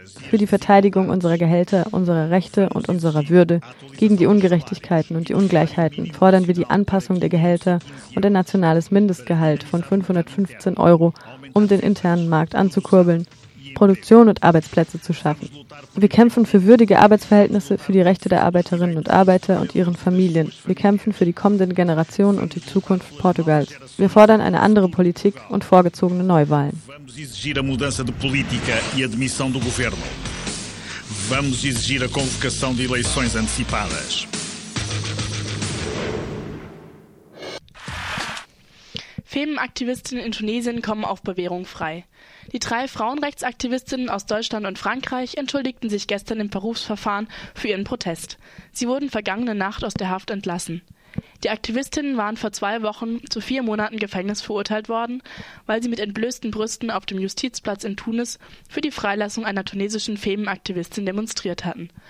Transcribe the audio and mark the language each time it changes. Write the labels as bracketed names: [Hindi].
[German] Für die Verteidigung unserer Gehälter, unserer Rechte und unserer Würde gegen die Ungerechtigkeiten und die Ungleichheiten fordern wir die Anpassung der Gehälter und ein nationales Mindestgehalt von 515 Euro, um den internen Markt anzukurbeln, Produktion und Arbeitsplätze zu schaffen. Wir kämpfen für würdige Arbeitsverhältnisse, für die Rechte der Arbeiterinnen und Arbeiter und ihren Familien. Wir kämpfen für die kommenden Generationen und die Zukunft Portugals. Wir fordern eine andere Politik und vorgezogene Neuwahlen. [Portuguese] Vamos exigir a mudança de política e a demissão do governo. Vamos exigir a convocação de eleições antecipadas. [German] Femenaktivistinnen in Tunesien kommen auf Bewährung frei. Die drei Frauenrechtsaktivistinnen aus Deutschland und Frankreich entschuldigten sich gestern im Berufsverfahren für ihren Protest. Sie wurden vergangene Nacht aus der Haft entlassen. Die Aktivistinnen waren vor 2 Wochen zu 4 Monaten Gefängnis verurteilt worden, weil sie mit entblößten Brüsten auf dem Justizplatz in Tunis für die Freilassung einer tunesischen Femenaktivistin demonstriert hatten.